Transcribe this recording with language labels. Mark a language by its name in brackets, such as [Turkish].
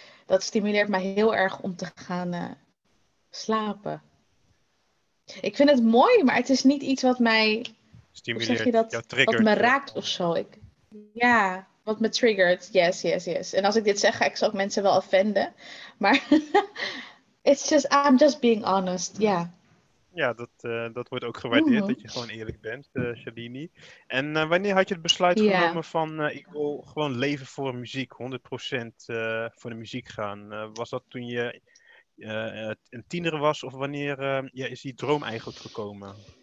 [Dutch] Dat stimuleert mij heel erg om te gaan slapen. Ik vind het mooi, maar het is niet iets wat mij, hoe zeg je Stimuleert dat, jou, wat triggert me jou. raakt of zo. Ja, wat me triggert. [English] Yes, yes, yes. [Dutch] En als ik dit zeg, ga ik ze ook mensen wel offenden. [English] Maar it's just, I'm just being honest, ja. Yeah. [Dutch] Ja, dat wordt ook gewaardeerd, dat je gewoon eerlijk bent, Shalini. En wanneer had je het besluit Ja. genomen van, ik wil gewoon leven voor muziek, 100% voor de muziek gaan? Was dat toen je een tiener was, of wanneer is die droom eigenlijk gekomen?